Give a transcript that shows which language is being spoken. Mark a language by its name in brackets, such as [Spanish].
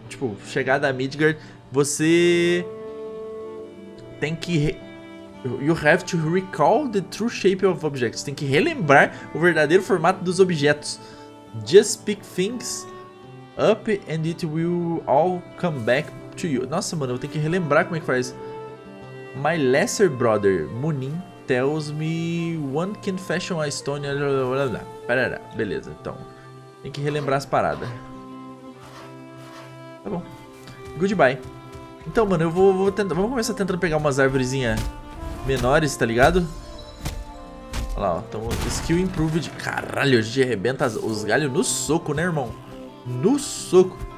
[Portuguese] Tipo, chegada a Midgard, você... Tem que... [English] You have to recall the true shape of objects. [Portuguese] Tem que relembrar o verdadeiro formato dos objetos. [English] Just pick things up and it will all come back to you. [Portuguese] Nossa, mano, eu tenho que relembrar como é que faz. [English] My lesser brother, Munin, tells me one can fashion a stone... [Portuguese] Parará. Beleza, então. Tem que relembrar as paradas. Tá bom. Goodbye. Então, mano, eu vou tentar... Vamos começar tentando pegar umas arvorezinhas menores, tá ligado? Olha lá, ó. Então, skill improved. Caralho, a gente arrebenta os galhos no soco, né, irmão? No soco.